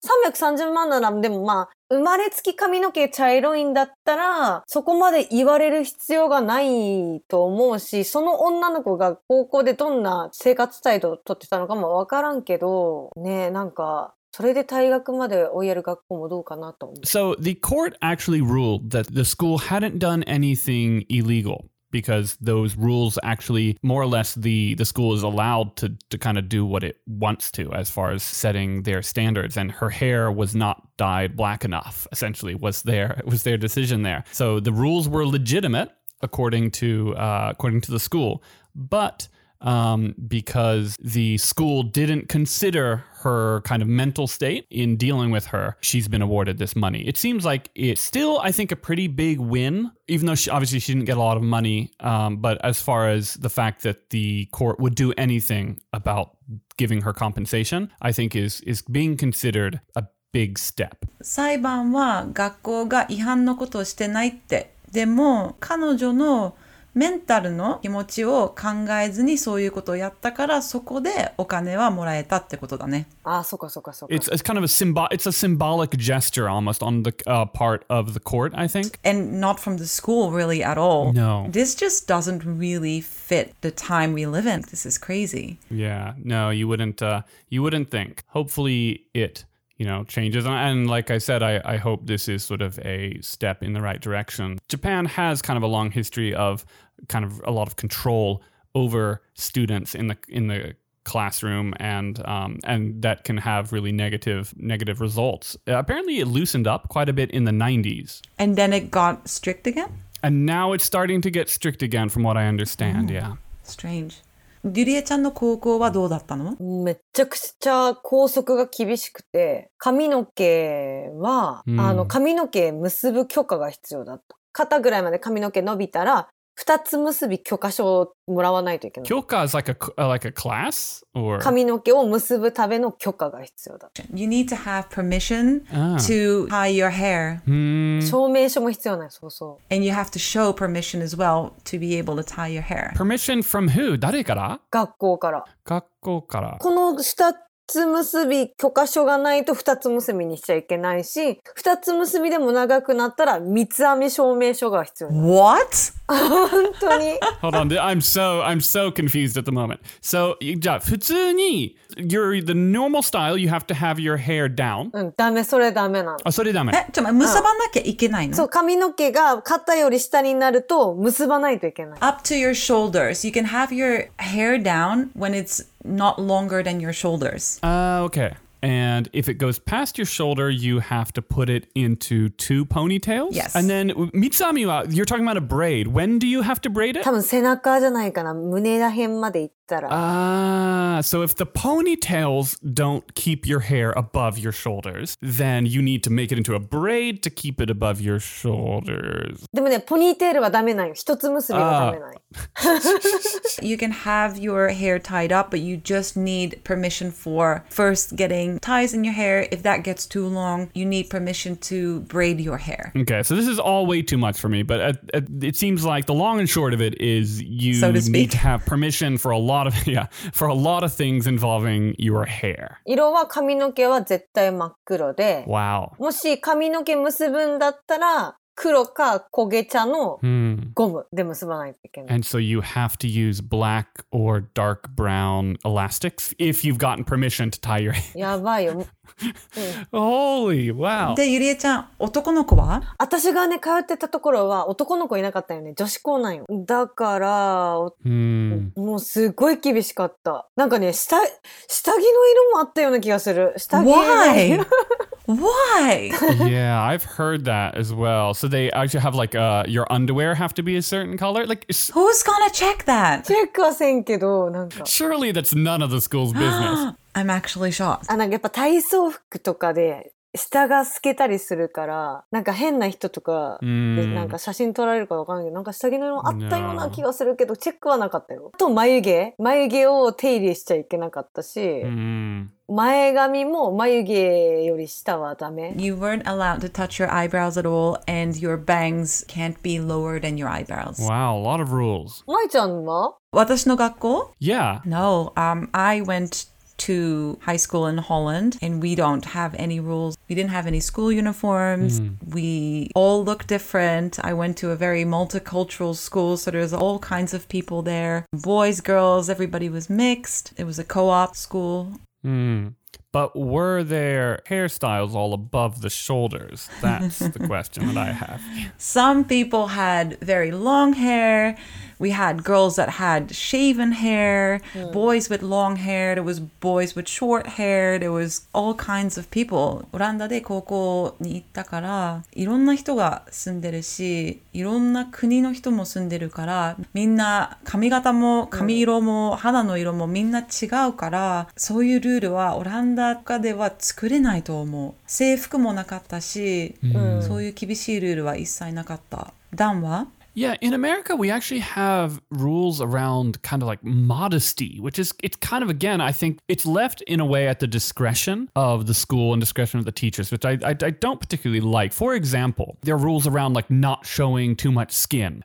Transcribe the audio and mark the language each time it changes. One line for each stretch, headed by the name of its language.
Japanese: 330万なら、でもまあ、生まれつき髪の毛茶色いんだったら、そこまで言われる必要がないと思うし、その女の子が高校でどんな生活態度をとってたのかもわからんけど、ねえ、なんか、それで退学まで追いやる学校もどうかなと思う。
English: So, the court actually ruled that the school hadn't done anything illegal. Because those rules actually, more or less, the school is allowed to kind of do what it wants to as far as setting their standards. And her hair was not dyed black enough, essentially, was their decision there. So the rules were legitimate, according to the school. But because the school didn't consider her kind of mental state in dealing with her, she's been awarded this money. It seems like it's still, I think, a pretty big win. Even though she didn't get a lot of money, but as far as the fact that the court would do anything about giving her compensation, I think is being considered a big step.
Japanese: 裁判は学校が違反のことをしてないって。でも彼女のメンタルの気持ちを考えずにそういうことをやったから、そこでお金はもらえたってことだね。ああ、そうか。
English: It's kind of it's a symbolic gesture almost on the part of the court, I think. And not from the school really at all. No. This just doesn't really fit the time we live in. This is crazy. Yeah, no, you wouldn't think. Hopefully it, you know, changes. And like I said, I hope this is sort of a step in the right direction. Japan has kind of a long history of kind of a lot of control over students in the classroom, and that can have really negative results. Apparently, it loosened up quite a bit in the 90s. And then it got strict again? And now it's starting to get strict again, from what I understand, yeah. Strange.
Japanese: ゆりえちゃんの高校はどうだったの？めちゃくちゃ校則が厳しくて、髪の毛は、髪の毛結ぶ許可が必要だった。肩ぐらいまで髪の毛伸びたら、二つ結び許可書をもらわないといけない。
English: 許可 is like a class? Or...
Japanese: 髪の毛を結ぶための許可が必要だ。
English: You need to have permission to tie your hair.
Japanese: 証明書も必要ない、そうそう。
English: And you have to show permission as well to be able to tie your hair. Permission from who?
Japanese: 誰から？学校から。学校から。この二つ結び許可書がないと二つ結びにしちゃいけないし、二つ結びでも長くなったら三つ編み証明書が必要になる。
English: What? Hold on, I'm so confused at the moment. So, yeah,
Japanese: 普通に
English: you're the normal style, you have to have your hair down.
Japanese: ダメ、それダメなの。あ、それダメ。え、ちょっと結ばなきゃいけないの？そう、髪の毛が肩より下になると結ばないといけない。
English: Up to your shoulders. You can have your hair down when it's not longer than your shoulders. Okay. And if it goes past your shoulder, you have to put it into two ponytails? Yes. And then,
Japanese: Mitsami wa,
English: you're talking about a braid. When do you have to braid it?
Japanese: 多分背中じゃないかな。胸ら辺まで行ったら。
English: So if the ponytails don't keep your hair above your shoulders, then you need to make it into a braid to keep it above your shoulders.
Japanese: でもね、ポニーテールはダメない。一つ結びはダメない。
English: You can have your hair tied up, but you just need permission for first getting ties in your hair. If that gets too long, you need permission to braid your hair. Okay, so this is all way too much for me, but it seems like the long and short of it is you so to need to have permission for a lot of, yeah, for a lot of things involving your hair.
Japanese: 色は髪の毛は絶対真っ黒で。
English: Wow.
Japanese: もし髪の毛結ぶんだったら、黒か焦げ茶のゴムで結ばないといけない。
English: And so you have to use black or dark brown elastics if you've gotten permission to tie your hair.
Japanese: やばいよ。
English: Holy, wow.
Japanese: で、ゆりえちゃん、男の子は？私がね、通ってたところは男の子いなかったよね。女子校なんよ。だから、もうすごい厳しかった。なんかね、下着の色もあったような気がする。下着の色。
English: Why? Why? Yeah, I've heard that as well. So they actually have like, your underwear have to be a certain color? Like, Who's gonna check that?
Japanese: チェックはせんけど、なんか。
English: Surely that's none of the school's business. I'm actually shocked.
Japanese: あ、なんかやっぱ体操服とかで下が透けたりするから、なんか変な人とかでなんか写真撮られるかわかんないけど、なんか下着の色あったような気がするけど、チェックはなかったよ。あと眉毛。眉毛を手入れしちゃいけなかったし。前髪も眉毛より下はダメ。
English: You weren't allowed to touch your eyebrows at all, and your bangs can't be lower than your eyebrows. Wow, a lot of rules.
Japanese: まいちゃんは？私の学校？
English: Yeah. No, I went to high school in Holland, and we don't have any rules. We didn't have any school uniforms. We all look different. I went to a very multicultural school, so there's all kinds of people there. Boys, girls, everybody was mixed. It was a co-op school. But were their hairstyles all above the shoulders? That's the question that I have. Some people had very long hair. We had girls that had shaven hair, boys with long hair. There was boys with short hair. There was all kinds of people.
Japanese: オランダで高校に行ったから、いろんな人が住んでるし、いろんな国の人も住んでるから、みんな髪型も髪色も肌の色もみんな違うから、そういうルールはオランダでは作れないと思う。制服もなかったし、そういう厳しいルールは一切なかった。ダンは？
English: Yeah, in America, we actually have rules around kind of like modesty, which is, it's kind of, again, I think it's left in a way at the discretion of the school and discretion of the teachers, which I don't particularly like. For example, there are rules around like not showing too much skin.